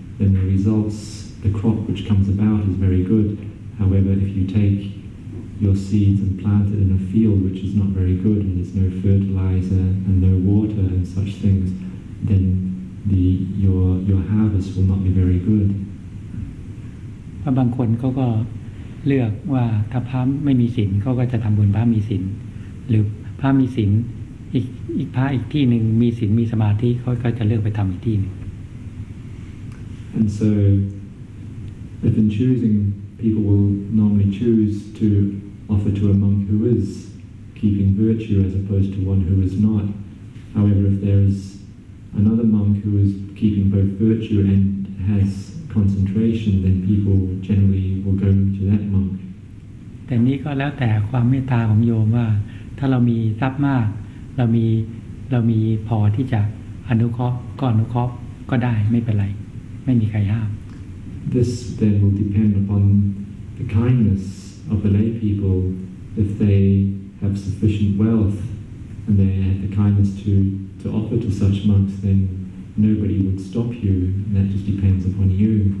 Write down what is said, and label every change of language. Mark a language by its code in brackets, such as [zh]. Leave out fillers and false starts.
[en] Then the results, the crop which comes about, is very good. However, if you take your seeds and plant it in a field which is not very good and there's no fertilizer and no water and such things, then your harvest will not be very good. [th] พระบางคนเขาก็เลือกว่าถ้าพระไม่มีศีลเขาก็จะทำบุญพระมีศีลหรือพระมีศีลอีกพระอีกที่หนึ่งมีศีลมีสมาธิเขาก็จะเลือกไปทำอีกที่หนึ่ง [en] And so if in choosing people will normally choose to offer to a monk who is keeping virtue as opposed to one who is not however if there is another monk who is keeping both virtue and has concentration then people generally will go to that monk [th] แต่นี้ก็แล้วแต่ความเมตตาของโยมว่าถ้าเรามีทรัพย์มากเรามีพอที่จะอนุเคราะห์ก็อนุเคราะห์ก็ได้ไม่เป็นไรไม่มีใครห้าม [en] This then will depend upon the kindness of the lay people if they have sufficient wealth and they have the kindness to offer to such monks then nobody would stop you and that just depends upon you